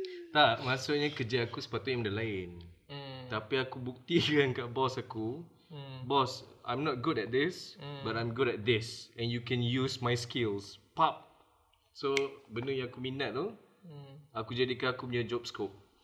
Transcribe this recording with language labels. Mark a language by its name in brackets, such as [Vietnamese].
[Malay] Tak, maksudnya kerja aku sepatutnya benda lain. Tapi aku buktikan kat bos aku. Bos, [English] I'm not good at this, but I'm good at this. And you can use my skills. Pop. So, [Malay] benda yang aku minat tu, aku jadikan aku punya job scope.